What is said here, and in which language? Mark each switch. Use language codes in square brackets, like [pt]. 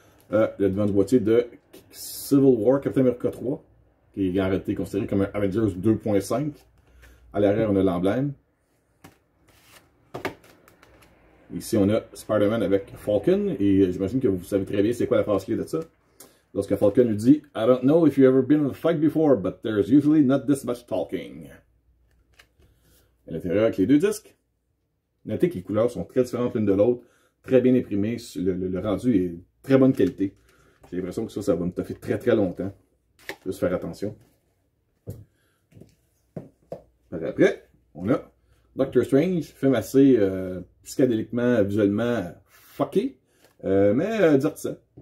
[fr] Le devant du boîtier de Civil War, Captain America 3, qui est en réalité considéré comme un Avengers 2.5. À l'arrière, on a l'emblème. Ici, on a Spider-Man avec Falcon, et j'imagine que vous savez très bien c'est quoi la phase clé de ça. Lorsque Falcon lui dit, [en] I don't know if you've ever been in a fight before, but there's usually not this much talking. [fr] À l'intérieur, avec les deux disques, notez que les couleurs sont très différentes l'une de l'autre, très bien imprimées, le rendu est très bonne qualité. J'ai l'impression que ça va me toffer très très longtemps. Juste faire attention. Par après, on a Doctor Strange, film assez psychédéliquement, visuellement fucké, mais divertissant.